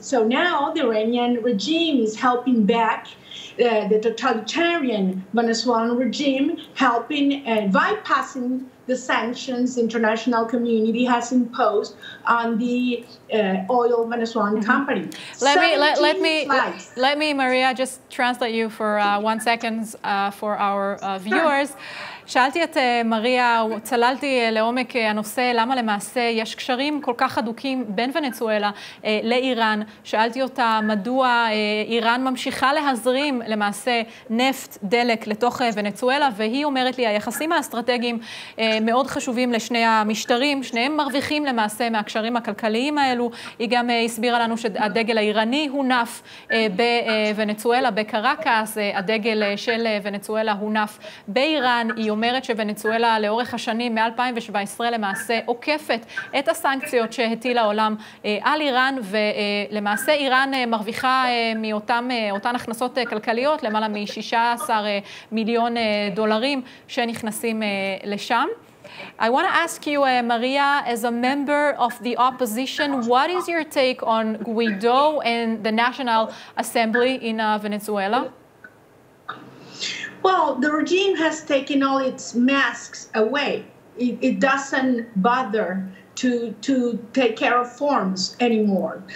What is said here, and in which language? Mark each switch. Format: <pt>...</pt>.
<en>So now the Iranian regime is helping back the totalitarian Venezuelan regime, helping bypassing the sanctions international community has imposed on the oil Venezuelan company. Let me, Maria, just translate you for 1 second for our viewers.</en> <he>שאלתי את מריה, צללתי לעומק הנושא, למה למעשה יש קשרים כל כך הדוקים בין ונצואלה לאיראן. שאלתי אותה מדוע איראן ממשיכה להזרים למעשה נפט, דלק לתוך ונצואלה, והיא אומרת לי, היחסים האסטרטגיים מאוד חשובים לשני המשטרים, שניהם מרוויחים למעשה מהקשרים הכלכליים האלו. היא גם הסבירה לנו שהדגל האיראני הונף בוונצואלה, בקרקס, הדגל של ונצואלה הונף באיראן. היא אומרת שוונצואלה לאורך השנים, מ-2017 למעשה, עוקפת את הסנקציות שהטיל העולם על איראן, ולמעשה איראן מרוויחה מאותן הכנסות כלכליות, למעלה מ-16 מיליון דולרים שנכנסים לשם.</he> <en>I want to ask you, Maria, as a member of the opposition, what is your take on Guaido and the National Assembly in Venezuela? Well, the regime has taken all its masks away. It doesn't bother to take care of forms anymore.</en>